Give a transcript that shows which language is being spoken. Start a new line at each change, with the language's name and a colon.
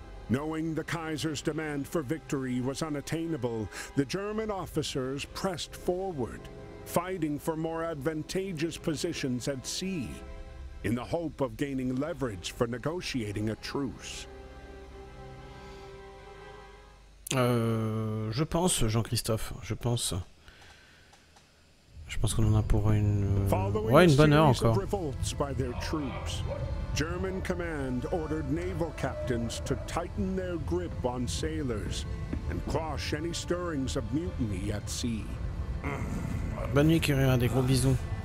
English: Knowing the Kaiser's demand for victory was unattainable, the German officers pressed forward, fighting for more advantageous positions at sea, in the hope of gaining leverage for negotiating a truce.
French: Je pense, Jean-Christophe, je pense qu'on en a pour une bonne heure encore.
English: Revolts by their troops, German command ordered naval captains to tighten their grip on sailors and quash any stirrings of mutiny at sea.
French: Bonne nuit, Kyria, des gros bisous.